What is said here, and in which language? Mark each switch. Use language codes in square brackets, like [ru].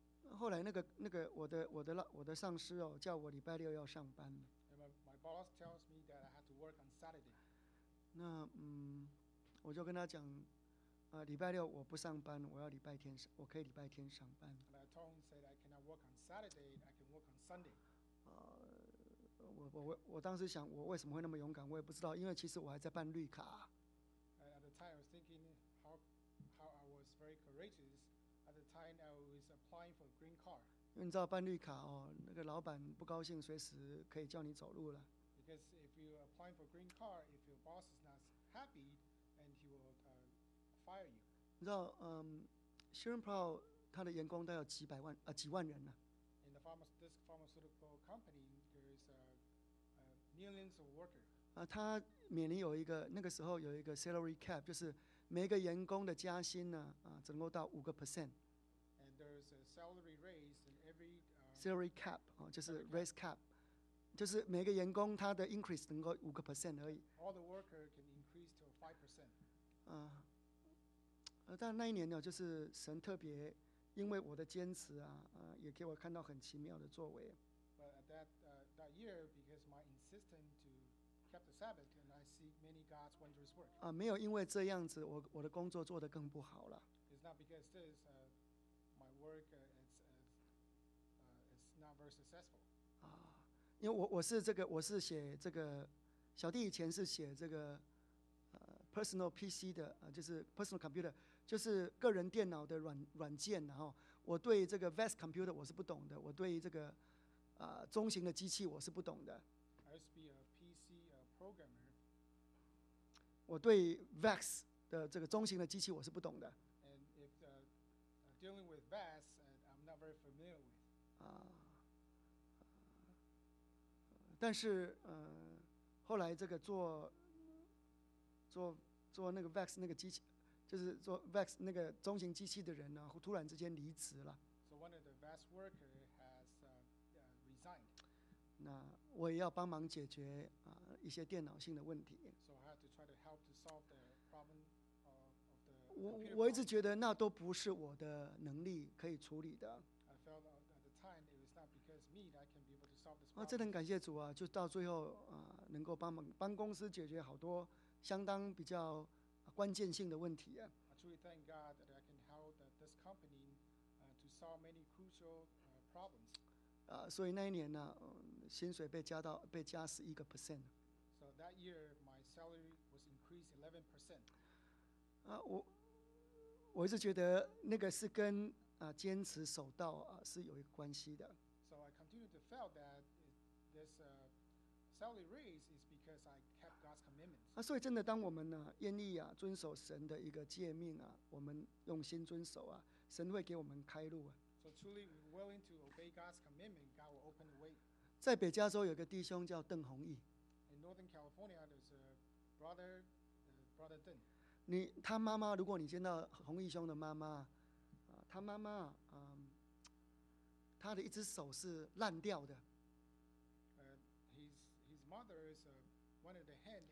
[zh] 后来那个我的上司哦，叫我礼拜六要上班。 [en] My boss tells me that I have to work on Saturday. Saturday. [zh] 那嗯，我就跟他讲，礼拜六我不上班，我要礼拜天，我可以礼拜天上班。 [en] And I told him said I cannot work on Saturday, I can work on Sunday. [zh] 我当时想，我为什么会那么勇敢，我也不知道，因为其实我还在办绿卡。 [en] At the time, I was thinking how I was very courageous. At the time, I was applying for a green card. [zh] 因为你知道办绿卡哦，那个老板不高兴，随时可以叫你走路了。 [en] Because if you apply for green card, if your boss is not happy, and he will fire you. [zh] 你知道，Sharon Plow 他的员工大概有几万人呢、啊。 [en] In the pharmaceutical company, there is millions of workers. [zh] 他每年有一个那个时候有一个 salary cap， 就是每个员工的加薪呢，只能够到5%。 [en] And there's a salary raise in every salary cap， [zh] 就是 [en] raise cap。 [zh] 就是每个员工他的 increase 能够5% 而已。 [en] All the worker can increase to 5%。 [zh] 但那一年呢，就是神特别因为我的坚持啊，也给我看到很奇妙的作为。 [en] But that year, because my insistence to keep the Sabbath, and I see many God's wondrous work. [zh] 没有因为这样子，我的工作做得更不好了。 [en] It's not because this, my work is not very successful. [zh] 因为我是这个，我是写这个，小弟以前是写这个， [en] personal PC [zh] 的，就是 [en] personal computer， [zh] 就是个人电脑的软件，然后我对这个 vast computer 我是不懂的，我对这个，中型的机器我是不懂的。 [en] I used to be a PC programmer. [zh] 我对 vast 的这个中型的机器我是不懂的。 [en] And if dealing with vast, I'm not very familiar with. [zh] 但是，后来这个做那个 VEX 那个机器，就是做 VEX 那个中型机器的人呢，突然之间离职了。 [en] So one of the VEX worker has resigned. [zh] 那我也要帮忙解决一些电脑性的问题。 [en] So I have to try to help to solve the problem of the. [zh] 我一直觉得那都不是我的能力可以处理的。 [en] I felt at the time it was not because me that I can be able to solve this problem. [zh] 真的很感谢主啊，就到最后能够帮公司解决好多相当比较关键性的问题啊。 [en] I truly thank God that I can help this company to solve many crucial problems. [zh] 所以那一年呢，薪水被加11%。 [en] So that year my salary was increased 11%. [zh] 我一直觉得那个是跟坚持守道是有一个关系的。 [en] So I continue to feel that this salary raise is because I kept God's commitments. [zh] 所以真的，当我们愿意遵守神的一个诫命我们用心遵守神会给我们开路。 [en] So truly willing to obey God's commitment, God will open the way. [zh] 在北加州有个弟兄叫邓弘毅。 [en] In Northern California, there's a brother, brother Deng. [zh] 他妈妈，如果你见到弘毅兄的妈妈。他妈妈，他的一只手是烂掉的。 [en] His mother is one of the hand